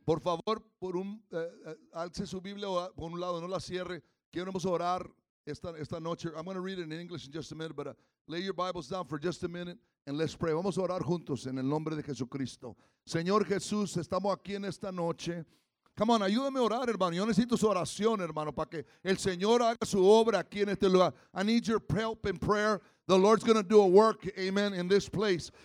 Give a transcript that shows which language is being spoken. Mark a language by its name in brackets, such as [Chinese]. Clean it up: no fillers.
[Spanish] Por favor, alce su Biblia por un lado, no la cierre. Queremos orar esta noche. [English] I'm going to read it in English in just a minute, but lay your Bibles down for just a minute. And let's pray. [Spanish] Vamos a orar juntos en el nombre de Jesucristo. Señor Jesús, estamos aquí en esta noche. [English] Come on, [Spanish] ayúdame a orar, hermano. Yo necesito su oración, hermano, para que el Señor haga su obra aquí en este lugar. [English] I need your help in prayer. The Lord's going to do a work, amen, in this place.